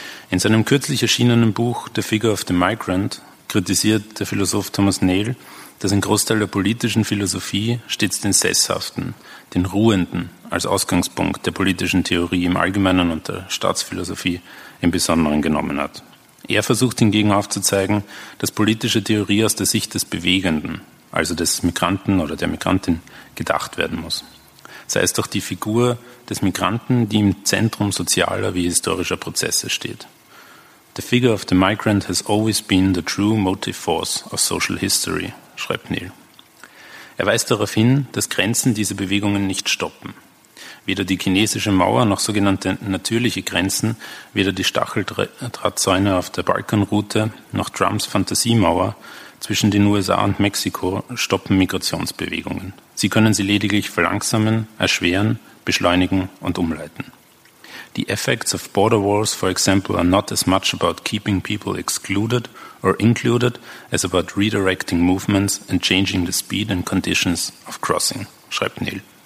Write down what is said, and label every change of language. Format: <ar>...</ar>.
<de>In seinem kürzlich erschienenen Buch The Figure of the Migrant kritisiert der Philosoph Thomas Nail, dass ein Großteil der politischen Philosophie stets den Sesshaften, den Ruhenden als Ausgangspunkt der politischen Theorie im Allgemeinen und der Staatsphilosophie im Besonderen genommen hat. Er versucht hingegen aufzuzeigen, dass politische Theorie aus der Sicht des Bewegenden, also des Migranten oder der Migrantin, gedacht werden muss. Sei es doch die Figur des Migranten, die im Zentrum sozialer wie historischer Prozesse steht.</de> <en>The figure of the migrant has always been the true motive force of social history,</en> <de>schreibt Nail. Er weist darauf hin, dass Grenzen diese Bewegungen nicht stoppen. Weder die chinesische Mauer noch sogenannte natürliche Grenzen, weder die Stacheldrahtzäune auf der Balkanroute noch Trumps Fantasiemauer zwischen den USA und Mexiko stoppen Migrationsbewegungen. Sie können sie lediglich verlangsamen, erschweren, beschleunigen und umleiten.</de> <en>The effects of border wars, for example, are not as much about keeping people excluded or included as about redirecting movements and changing the speed and conditions of crossing,</en> <de>schreibt Nail.</de>